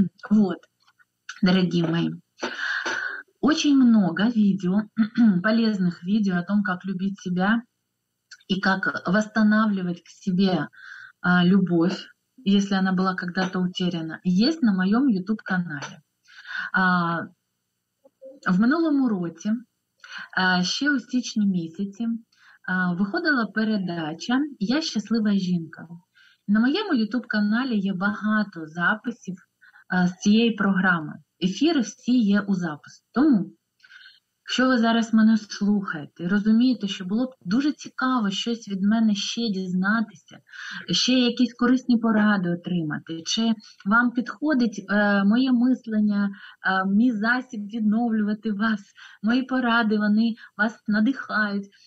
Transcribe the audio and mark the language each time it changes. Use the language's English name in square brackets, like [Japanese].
[Russian] Вот, дорогие мои, очень много видео, полезных видео о том, как любить себя и как восстанавливать к себе любовь, если она была когда-то утеряна, есть на моем YouTube-канале. [Ukrainian] В минулому році, ще у січні місяці, виходила передача «Я щаслива жінка». На моєму YouTube-каналі є багато записів з цієї програми. Ефіри всі є у запис. Тому, якщо ви зараз мене слухаєте і розумієте, що було б дуже цікаво щось від мене ще дізнатися, ще якісь корисні поради отримати, чи вам підходить моє мислення, мій засіб відновлювати вас, мої поради, вони вас надихають.